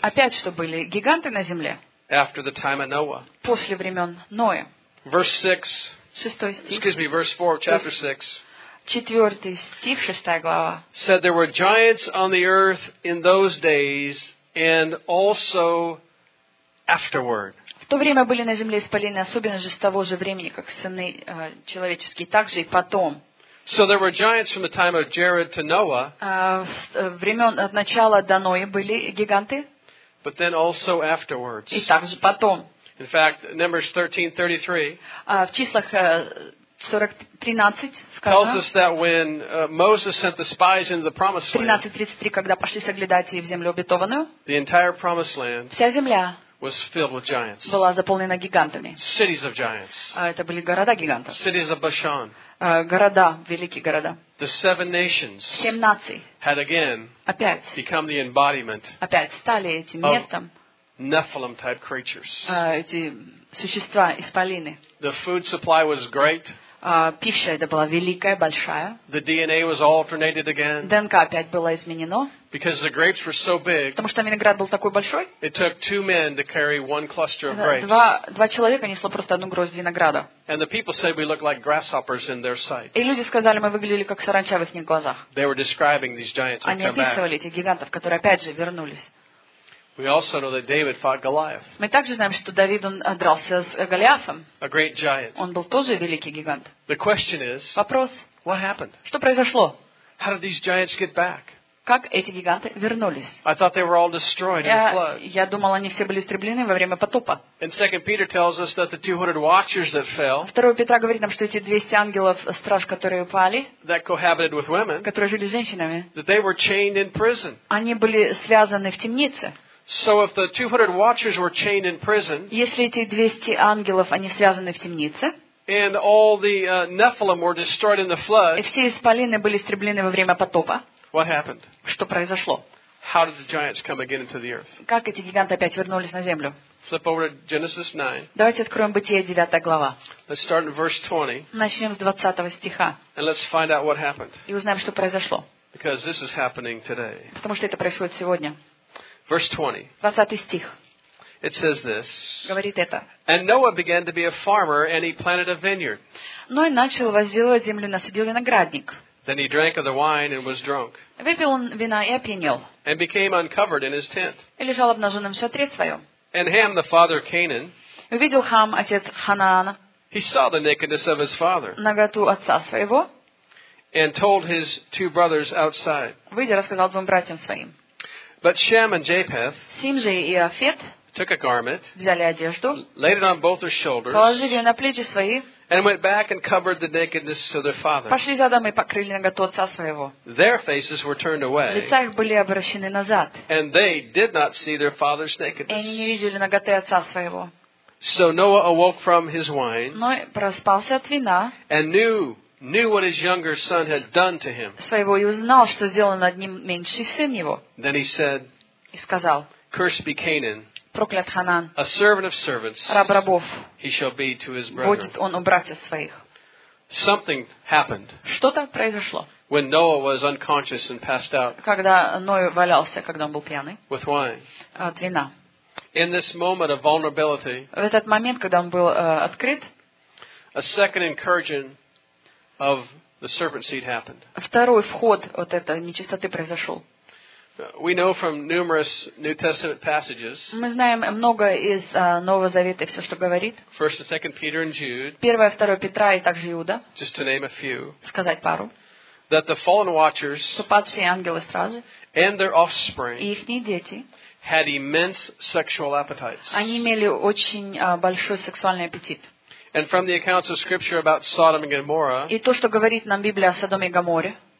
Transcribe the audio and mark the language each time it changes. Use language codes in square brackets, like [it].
[ru] Опять что были гиганты на земле. [en] After the time of Noah. [ru] После времен Ноя. [en] Verse 6. [ru] Шестой стих. [en] Excuse me, verse 4 of chapter 6. [ru] Четвертый стих, шестая глава. [en] Said there were giants on the earth in those days, and also afterward. [ru] В то время были на земле исполины, особенно же с того же времени, как сыны человеческие, так же и потом. [en] So there were giants from the time of Jared to Noah. [ru] Времен от начала до Ноя были гиганты. [en] But then also afterwards. [ru] И также потом. [en] In fact, Numbers 13:33. [ru] В числах 13:33, когда пошли соглядатели в землю обетованную, [en] the entire promised land, [ru] вся земля [en] was filled with giants, [ru] была заполнена гигантами. [en] Cities of giants, [ru] это были города гигантов. [en] Cities of Bashan, [ru] города, великие города. [en] The seven nations, [ru] семь наций, [en] had again [ru] опять [en] become the embodiment, [ru] опять стали этим местом. [en] Nephilim type creatures. [ru] Эти существа исполины. [en] The food supply was great. [ru] Пища это была великая, большая. [en] The DNA was all alternated again. [ru] ДНК опять было изменено. [en] Because the grapes were so big. [ru] Потому что виноград был такой большой. [en] It took two men to carry one cluster of grapes. [ru] Два человека несло просто одну гроздь винограда. [en] And the people said we looked like grasshoppers in their sight. [ru] И люди сказали, мы выглядели как саранча в их глазах. [en] They were describing these giants who came back. [ru] Они описывали этих гигантов, которые опять же вернулись. [en] We also know that David fought Goliath. [ru] Мы также знаем, что Давид он дрался с Голиафом. [en] A great giant. [ru] Он был тоже великий гигант. [en] The question is. [ru] Вопрос. [en] What happened? [ru] Что произошло? [en] How did these giants get back? [ru] Как эти гиганты вернулись? [en] I thought they were all destroyed in the flood. [ru] Я думал, они все были истреблены во время потопа. [en] And 2 Peter tells us that the 200 watchers that fell. [ru] 2 Петра говорит нам, что эти 200 ангелов страж, которые упали. [en] That cohabited with women. [ru] Которые жили с женщинами. [en] That they were chained in prison. [ru] Они были связаны в темнице. [en] So if the 200 watchers were chained in prison, [ru] если эти 200 ангелов они связаны в темнице, [en] and all the Nephilim were destroyed in the flood, [ru] и все исполины были истреблены во время потопа, [en] what happened? [ru] Что произошло? [en] How did the giants come again into the earth? [ru] Как эти гиганты опять вернулись на землю? [en] Flip over to Genesis 9. [ru] Давайте откроем Бытие 9 глава. [en] Let's start in verse 20. [ru] Начнем с 20 стиха. [en] And let's find out what happened. [ru] И узнаем, что произошло. [en] Because this is happening today. [ru] Потому что это происходит сегодня. [en] Verse 20. [ru] 20 стих. [en] It says this. [ru] Говорит это. [en] And Noah began to be a farmer, and he planted a vineyard. [ru] Ной начал возделывать землю, насадил виноградник. [en] Then he drank of the wine and was drunk. [ru] Выпил он вина и опьянел. [en] And became uncovered in his tent. [ru] И лежал обнаженным в шатре своем. [en] And Ham, the father of Canaan. [ru] Увидел Хам, отец Ханаана. [en] He saw the nakedness of his father. [ru] Наготу отца своего. [en] And told his two brothers outside. [ru] Выйди, рассказал двум братьям своим. [en] But Shem and Japheth [ru] Сим же и Афет [en] took a garment, [ru] взяли одежду, [en] laid it on both their shoulders, [ru] положили ее на плечи свои, [en] and went back and covered the nakedness of their father. [ru] Пошли за домой и покрыли наготу отца своего. [en] Their faces were turned away, [ru] лица их были обращены назад, [en] and they did not see their father's nakedness. [ru] И они не видели наготы отца своего. [en] So Noah awoke from his wine, [ru] Ной проспался от вина, [en] and knew what his younger son had done to him. [ru] Своего и узнал, что сделал над ним меньший сын его. [en] Then he said, [ru] и сказал, [en] "Cursed be Canaan, [ru] проклят Ханан, [en] a servant of servants, [ru] раб рабов, [en] he shall be to his brother." [ru] Будет он у братьев своих. [en] Something happened. [ru] Что-то произошло. [en] When Noah was unconscious and passed out. [ru] Когда Ной валялся, когда он был пьяный. [en] With wine. [ru] От вина. [en] In this moment of vulnerability, [ru] в этот момент, когда он был открыт, [en] a second incursion of the serpent seed happened. [ru] Второй вход вот этой нечистоты произошел. [en] We know from numerous New Testament passages. [ru] Мы знаем много из Нового Завета и все, что говорит. [en] First and Second Peter and Jude. [ru] Первое, второе Петра и также Иуда. [en] Just to name a few. [ru] Сказать пару. [en] That the fallen watchers. [ru] Что падшие ангелы стражи. [en] And their offspring. [ru] И ихние дети. [en] Had immense sexual appetites. [ru] Они имели очень большой сексуальный аппетит. [en] And from the accounts of Scripture about Sodom and Gomorrah. [ru] И то, что говорит нам Библия о Содоме и Гоморре.